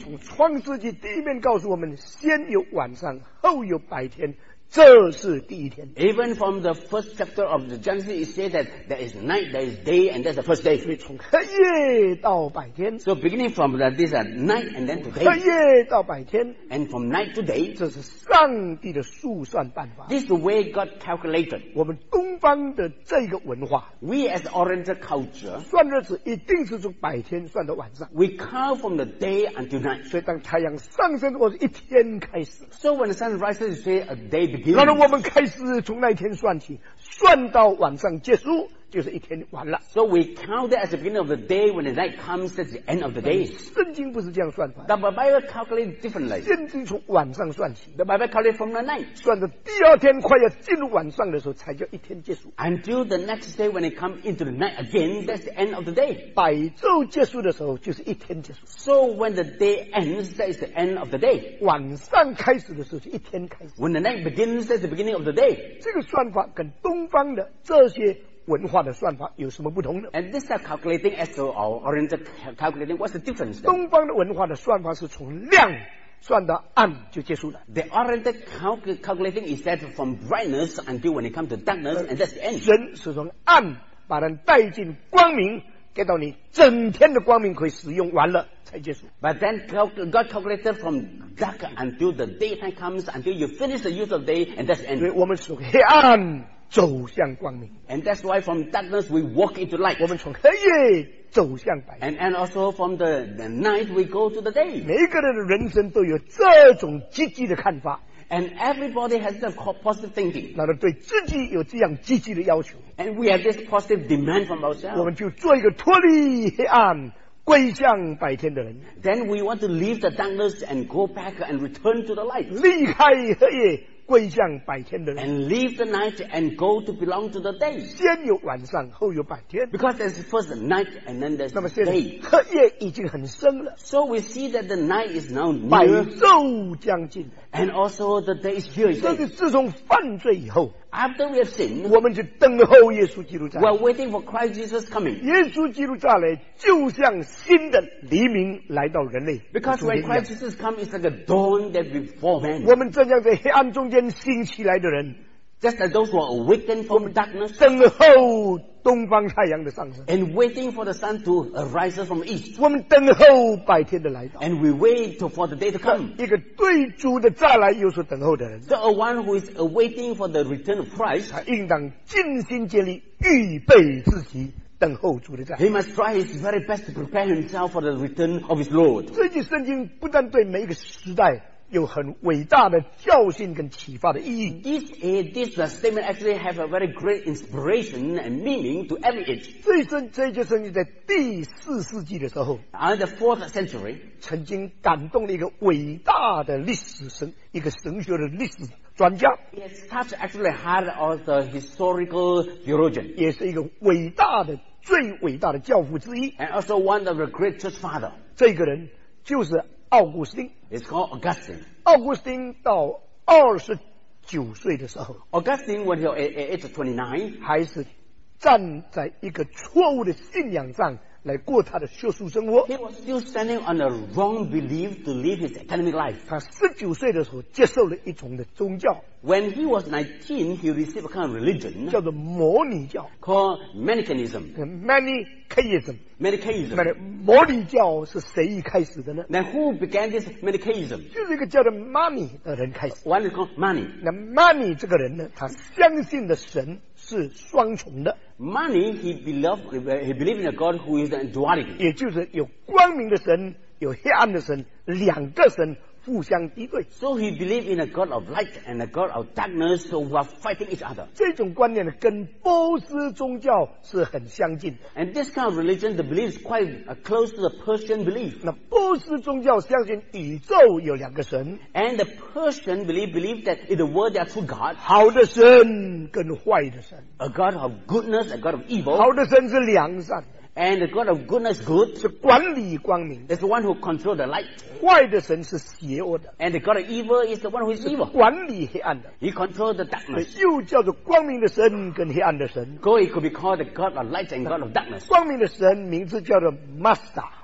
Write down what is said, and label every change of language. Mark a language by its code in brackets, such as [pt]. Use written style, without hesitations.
[zh] 从创世纪第一面告诉我们，先有晚上，后有白天。这是第一天。 [en] Even from the first chapter of the Genesis, it says that there is night, there is day, and that's the first day. [zh] 所以从黑夜到白天。 [en] So beginning from the, this night and then today. [zh] 黑夜到白天。 [en] And from night to day. [zh] 这是上帝的数算办法。 [en] This is the way God calculated. [zh] 我们东方的这个文化。 [en] We as Oriental culture. [zh] 算日子一定是从白天算到晚上。 [en] We count from the day until night. [zh] 所以当太阳上升或者一天开始。 [en] So when the sun rises, you say a day. [zh] 然后我们开始从那一天算起，算到晚上结束，就是一天完了。 [en] So we count that as the beginning of the day when the night comes at the end of the day. [zh] 圣经不是这样算法。 [en] The Bible calculates differently. [zh] 圣经从晚上算起。 [en] The Bible calculates from the night. [zh] 算到第二天快要进入晚上的时候，才叫一天结束。 [en] Until the next day when it comes into the night again, that's the end of the day. [zh] 百昼结束的时候，就是一天结束。 [en] So when the day ends, that is the end of the day. [zh] 晚上开始的时候是一天开始。 [en] When the night begins, that's the beginning of the day. [zh] 这个算法跟东方的这些文化的算法有什么不同呢？ [en] And this calculating as to our oriental calculating, what's the difference? Then? [zh] 东方的文化的算法是从亮算到暗就结束了。 [en] The oriental calculating is that from brightness until when it comes to darkness, and that's the end. [zh] 人是从暗把人带进光明，给到你整天的光明可以使用完了才结束。 [en] But then God calculated from dark until the daytime comes until you finish the use of day, and that's the end. [zh] 所以我们属黑暗。走向光明。 [en] And that's why from darkness we walk into light. [zh] 我们从黑夜走向白天。 [en] And also from the night we go to the day. [zh] 每个人的人生都有这种积极的看法。 [en] And everybody has that positive thinking. [zh] 那么对自己有这样积极的要求。 [en] And we have this positive demand from ourselves. [zh] 我们就做一个脱离黑暗归向白天的人。 [en] Then we want to leave the darkness and go back and return to the light. [zh] 离开黑夜归向白天的人。 [en] And leave the night and go to belong to the day. [zh] 先有晚上，后有白天。 [en] Because there's first the night and then there's the day. [zh] 那么现在黑夜已经很深了。 [en] So we see that the night is now near. [zh] 白昼将近。 [en] And also the day is here. [zh] 甚至自从犯罪以后。 [en] After we have sinned. [zh] 我们就等候耶稣基督再来。 [en] We're waiting for Christ Jesus coming. [zh] 耶稣基督再来就像新的黎明来到人类。 [en] Because when Christ Jesus comes, it's like a dawn that before man. [zh] 我们正像在黑暗中间醒起来的人， [en] just as those who are awakened from darkness, [zh] 等候东方太阳的上升， [en] and waiting for the sun to arise from east, [zh] 我们等候白天的来到， [en] and we wait for the day to come, [zh] 一个对主的再来又是等候的人， [en] the one who is awaiting for the return of Christ, [zh] 他应当尽心竭力预备自己等候主的再来。 [en] He must try his very best to prepare himself for the return of his Lord. [zh] 这句圣经不但对每一个时代有很伟大的教训跟启发的意义。 [en] This statement actually have a very great inspiration and meaning to every age. [zh] 这就是你在第四世纪的时候 [en] ，on the fourth century， [zh] 曾经感动了一个伟大的历史神，一个神学的历史专家。 [en] Yes, touched actually heart of the historical theologian， [zh] 也是一个伟大的最伟大的教父之一。 [en] And also one of the great church father， [zh] 这个人就是奥古斯丁。 [en] It's called Augustine. [zh] 奥古斯丁到二十九岁的时候 [en] ，Augustine when he was age 29， [zh] 还是站在一个错误的信仰上来过他的学术生活。 [en] He was still standing on a wrong belief to live his academic life. [zh] 他十九岁的时候接受了一种的宗教。 [en] When he was 19, he received a kind of religion [zh] 叫做摩尼教 [en] called Manichaeism. Manichaeism. Manichaeism. [zh] 摩尼教是谁开始的呢？ [en] Now who began this Manichaeism? [zh] 就是一个叫做 Mani 的人开始。 [en] One is called Mani. [zh] 那 Mani 这个人呢，他相信的神是双重的。 [en] Mani, he believed in a God who is a duality. [zh] 也就是有光明的神，有黑暗的神，两个神互相敌对。 [en] So he believed in a God of light and a God of darkness who are fighting each other. [zh] 这种观念跟波斯宗教是很相近。 [en] And this kind of religion, the belief is quite close to the Persian belief. [zh] 那波斯宗教相信宇宙有两个神。 [en] And the Persian believe that in the world there are two gods. [zh] 好的神跟坏的神。 [en] A God of goodness, a God of evil. [zh] 好的神是良善。 [en] And the God of goodness, good, [zh] 是管理光明 [en] is the one who controls the light. [zh] 坏的神是邪恶的 [en] And the God of evil is the one who is evil. [zh] 是管理黑暗的 [en] He controls the darkness. [zh] 又叫做光明的神跟黑暗的神 [en] So it could be called the God of light and God of darkness. [zh] 光明的神名字叫做 Master.